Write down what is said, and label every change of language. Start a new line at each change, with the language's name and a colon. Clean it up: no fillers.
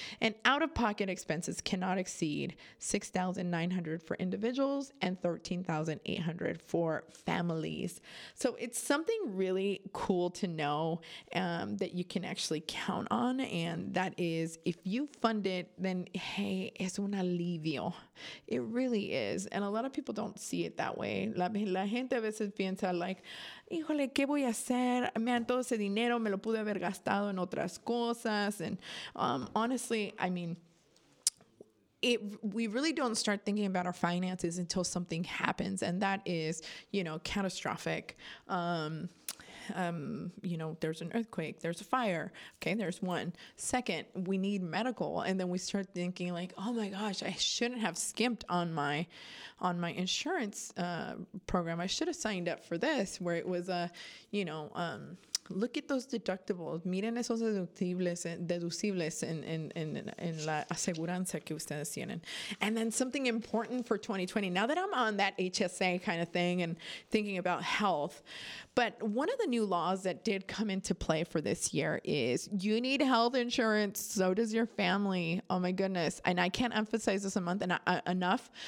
English: And out-of-pocket expenses cannot exceed $6,900 for individuals and $13,800 for families. So it's something really cool to know that you can actually count on, and that is if you fund it, then hey,
Spanish: es un alivio.
English: It really is, and a lot of people don't see it that way.
Spanish: La gente a veces piensa like, híjole, ¿qué voy a hacer? Man, todo ese dinero me lo pude haber gastado en otras cosas.
English: And honestly, I mean, we really don't start thinking about our finances until something happens, and that is, you know, catastrophic. You know, there's an earthquake, there's a fire. Okay, there's one. Second, we need medical. And then we start thinking like, oh my gosh, I shouldn't have skimped on my insurance program. I should have signed up for this, where it was a, you know, look at those deductibles.
Spanish: Miren esos deducibles en la aseguranza que ustedes tienen.
English: And then something important for 2020, now that I'm on that HSA kind of thing and thinking about health, but one of the new laws that did come into play for this year is you need health insurance. So does your family. Oh my goodness. And I can't emphasize this enough.